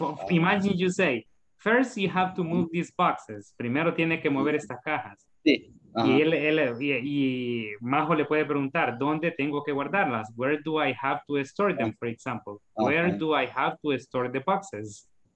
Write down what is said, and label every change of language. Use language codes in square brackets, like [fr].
[en] Imagine you say, first, you have to move these boxes. [es] Primero tiene que mover estas cajas. Sí. Uh-huh. Y Majo le puede preguntar, ¿dónde tengo que guardarlas? [en] Where do I have to store them, for example? Okay. Where do I have to store the boxes?